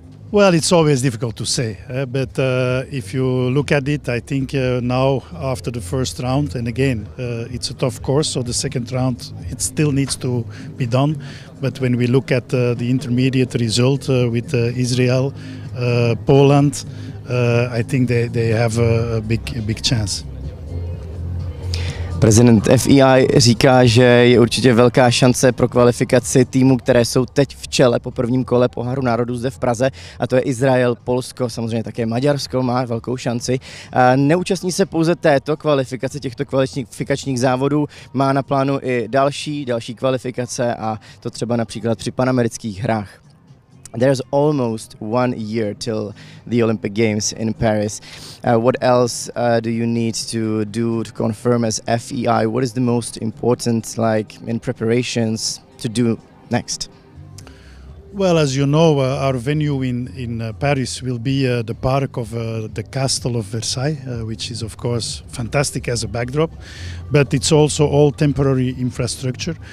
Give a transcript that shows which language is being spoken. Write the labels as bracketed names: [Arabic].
[English] Well, it's always difficult to say, but if you look at it, I think now after the first round, and again, it's a tough course, so the second round, it still needs to be done. But when we look at the intermediate result with Israel, Poland, I think they have a big chance. [Czech] Prezident FEI říká, že je určitě velká šance pro kvalifikaci týmů, které jsou teď v čele po prvním kole poháru národů zde v Praze, a to je Izrael, Polsko, samozřejmě také Maďarsko má velkou šanci. Neúčastní se pouze této kvalifikace, těchto kvalifikačních závodů, má na plánu I další kvalifikace, a to třeba například při panamerických hrách. [English] There's almost 1 year till the Olympic Games in Paris. What else do you need to do to confirm as FEI? What is the most important, like, in preparations to do next? Well, as you know, our venue in Paris will be the park of the Castle of Versailles, which is of course fantastic as a backdrop, but it's also all temporary infrastructure.